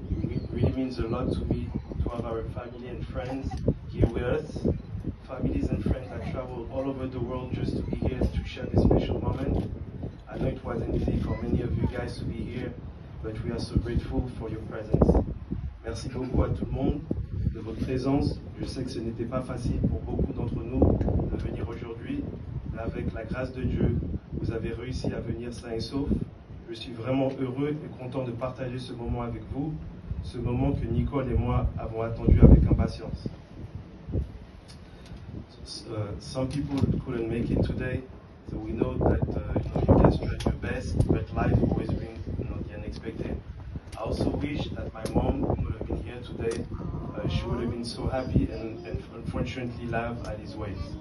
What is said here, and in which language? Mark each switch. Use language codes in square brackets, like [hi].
[en] It really means a lot to me to have our family and friends here with us. Families and friends that travel all over the world just to be here to share this special moment. I know it wasn't easy for many of you guys to be here, but we are so grateful for your presence. [fr] Merci beaucoup à tout le monde de votre présence. Je sais que ce n'était pas facile pour beaucoup d'entre nous de venir aujourd'hui, mais avec la grâce de Dieu, vous avez réussi à venir sain et sauf. Je suis vraiment heureux et content de partager ce moment avec vous, ce moment que Nicole et moi avons attendu avec impatience. [en] Some people couldn't make it today, so we know that you guys tried your best, but life always brings the unexpected. I also wish that my mom would have been here today. She would have been so happy and unfortunately laughed at his ways.